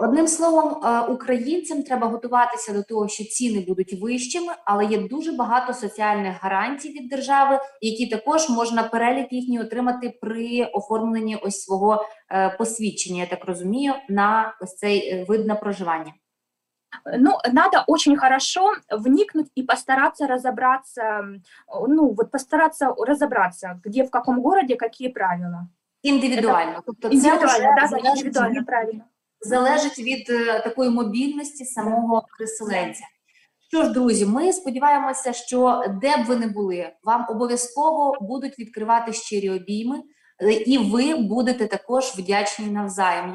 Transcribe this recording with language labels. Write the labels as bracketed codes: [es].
[uk] Одним словом, українцям треба готуватися до того, що ціни будуть вищими, але є дуже багато соціальних гарантій від держави, які також можна перелік їхній отримати при оформленні ось свого посвідчення, я так розумію, на ось цей вид на проживання. [ru] Ну, надо очень хорошо вникнуть и постараться [uk] розібратися, [ru] где, в каком городе, [uk] які правила. Індивідуально, правильно. Залежить від такої мобільності самого переселенця. Що ж, друзі, ми сподіваємося, що де б ви не були, вам обов'язково будуть відкривати щирі обійми, і ви будете також вдячні навзаєм.